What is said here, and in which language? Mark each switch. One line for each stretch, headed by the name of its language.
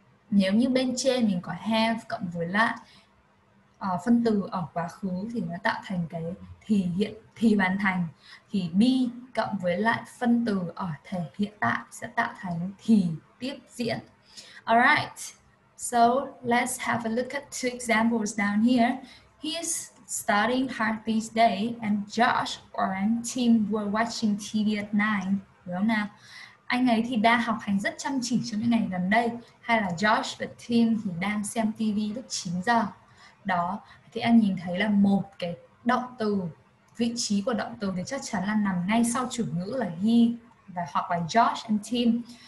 Vietnamese: Nếu như bên trên mình có have cộng với lại phân từ ở quá khứ thì nó tạo thành cái thì hiện thì hoàn thành, thì be cộng với lại phân từ ở thể hiện tại sẽ tạo thành thì tiếp diễn.
English: Alright, so let's have a look at two examples down here. He is studying hard these days and Josh and team were watching TV at night.
Vietnamese: Đúng không nào? Anh ấy thì đang học hành rất chăm chỉ trong những ngày gần đây. Hay là Josh và team thì đang xem TV lúc 9 giờ. Đó, thì anh nhìn thấy là một cái động từ, vị trí của động từ thì chắc chắn là nằm ngay sau chủ ngữ là he và hoặc là Josh and team.